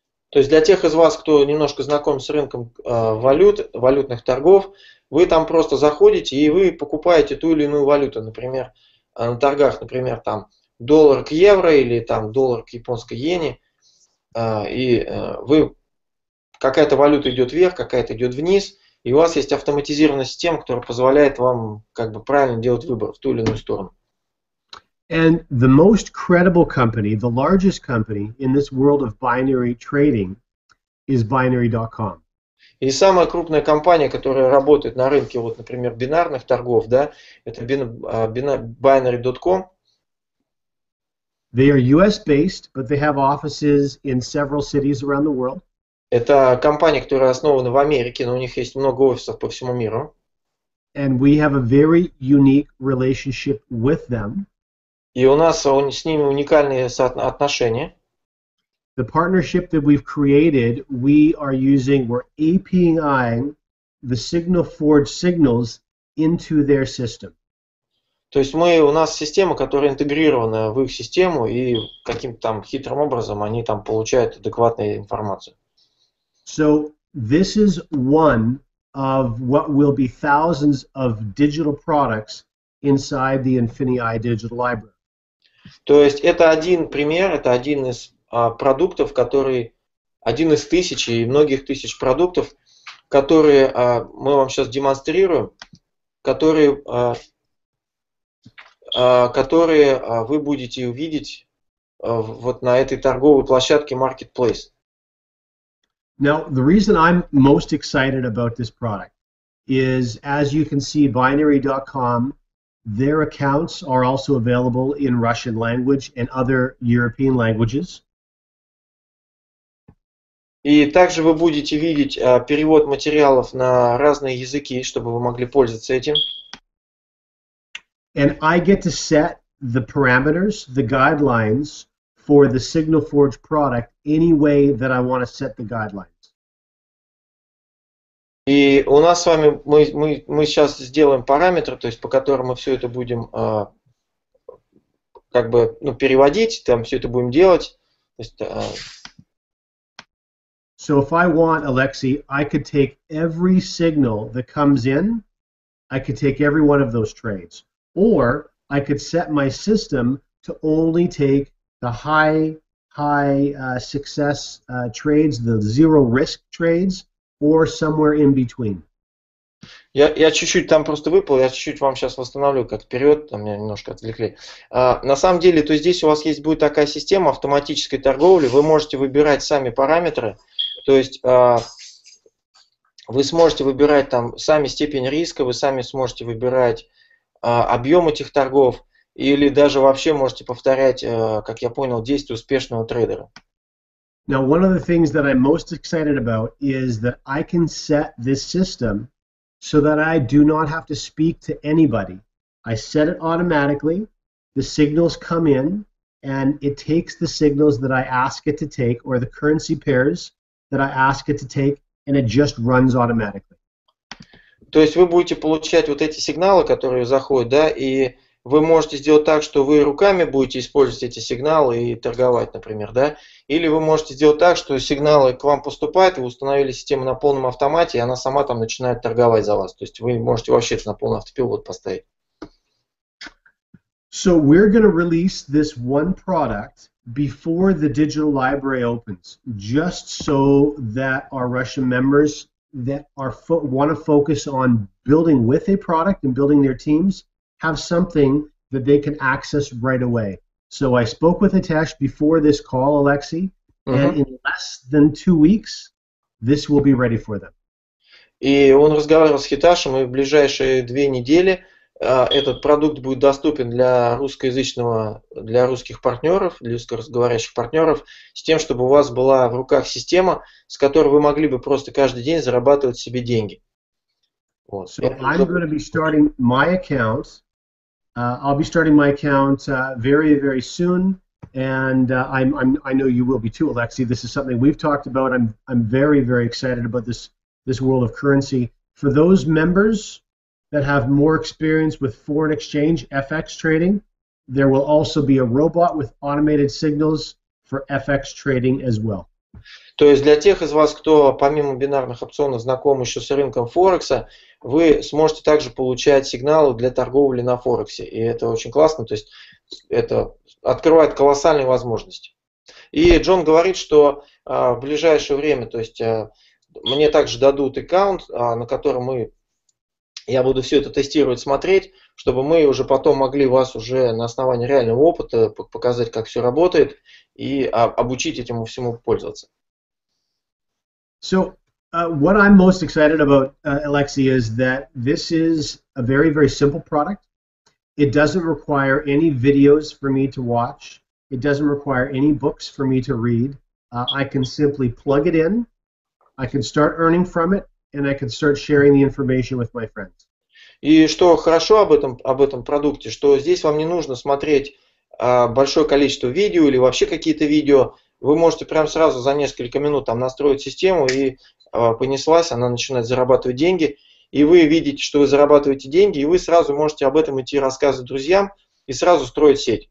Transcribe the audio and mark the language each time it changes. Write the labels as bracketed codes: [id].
[ru] То есть для тех из вас, кто немножко знаком с рынком валютных торгов, вы там просто заходите и вы покупаете ту или иную валюту, например, на торгах, например, там доллар к евро или там доллар к японской иене, вы какая-то валюта идет вверх, какая-то идет вниз. И у вас есть автоматизированная система, которая позволяет вам правильно делать выбор в ту или иную сторону. [en] And the most credible company, the largest company in this world of binary trading is binary.com. [ru] И самая крупная компания, которая работает на рынке например, бинарных торгов, это binary.com. [en] They are US based, but they have offices in several cities around the world. [ru] Это компания, которая основана в Америке, но у них есть много офисов по всему миру. [en] And we have a very unique relationship with them. [ru] И у нас с ними уникальные отношения. [en] the partnership that we've created, we are using, we're APIing the SignalForge signals into their system. [ru] То есть мы, у нас система, которая интегрирована в их систему, и каким-то там хитрым образом они там получают адекватную информацию. [en] So this is one of what will be thousands of digital products inside the InfiniEye Digital Library. [ru] То есть это один пример, это один из продуктов, который один из тысяч и многих тысяч продуктов, которые мы вам сейчас демонстрируем, которые, которые вы будете увидеть вот на этой торговой площадке Marketplace. [en] Now, the reason I'm most excited about this product is, as you can see, binary.com, their accounts are also available in Russian language and other European languages. [ru] И также вы будете видеть перевод материалов на разные языки, чтобы вы могли пользоваться этим. [en] And I get to set the parameters, the guidelines for the SignalForge product any way that I want to set the guidelines. [ru] И у нас с вами, мы сейчас сделаем параметры, то есть по которым мы все это будем как бы, ну, переводить, там все это будем делать. То есть, [en] So if I want, Alexei, I could take every signal that comes in, I could take every one of those trades. Or I could set my system to only take the high success trades, the zero risk trades, or somewhere in between. [ru] Я чуть-чуть там просто выпал, я чуть-чуть вам сейчас восстановлю как период, там меня немножко отвлекли. На самом деле, то здесь у вас есть будет такая система автоматической торговли, вы можете выбирать сами параметры. То есть вы сможете выбирать там сами степень риска, вы сами сможете выбирать объем этих торгов, или даже вообще можете повторять, как я понял, действия успешного трейдера. [en] Now, one of the things that I'm most excited about is that I can set this system so that I do not have to speak to anybody. I set it automatically, the signals come in, and it takes the signals that I ask it to take, or the currency pairs that I ask it to take, and it just runs automatically. [ru] То есть вы будете получать вот эти сигналы, которые заходят, да, и вы можете сделать так, что вы руками будете использовать эти сигналы и торговать, например, да, или вы можете сделать так, что сигналы к вам поступают, вы установили систему на полном автомате, и она сама там начинает торговать за вас. То есть вы можете вообще это на полный автопилот поставить. [en] So we're going to release this one product before the digital library opens, just so that our Russian members that are want to focus on building with a product and building their teams have something that they can access right away. So I spoke with Hitesh before this call, Alexei, and in less than 2 weeks, this will be ready for them. [ru] И он разговаривал с Хитешем, и в ближайшие 2 недели этот продукт будет доступен для русскоязычного, для русских партнеров, для русскоговорящих партнеров, с тем, чтобы у вас была в руках система, с которой вы могли бы просто каждый день зарабатывать себе деньги. Вот. [en] So I'm going to be starting my account. I'll be starting my account very, very soon, and I know you will be too, Alexei. This is something we've talked about. I'm very, very excited about this world of currency. For those members that have more experience with foreign exchange, FX trading, there will also be a robot with automated signals for FX trading as well. [ru] То есть для тех из вас, кто помимо бинарных опционов знаком еще с рынком Форекса, вы сможете также получать сигналы для торговли на Форексе. И это очень классно, то есть это открывает колоссальные возможности. И Джон говорит, что в ближайшее время, то есть мне также дадут аккаунт, на котором мы я буду все это тестировать, смотреть, чтобы мы уже потом могли вас уже на основании реального опыта показать, как все работает, и обучить этому всему пользоваться. [en] So, what I'm most excited about, Alexei, is that this is a very, very simple product. It doesn't require any videos for me to watch. It doesn't require any books for me to read. I can simply plug it in. I can start earning from it. And I can start sharing the information with my friends. [ru] И что хорошо об этом продукте, что здесь вам не нужно смотреть большое количество видео или вообще какие-то видео. вы можете прямо сразу за несколько минут там настроить систему, и понеслась, она начинает зарабатывать деньги, и вы видите, что вы зарабатываете деньги, и вы сразу можете об этом идти рассказывать друзьям и сразу строить сеть.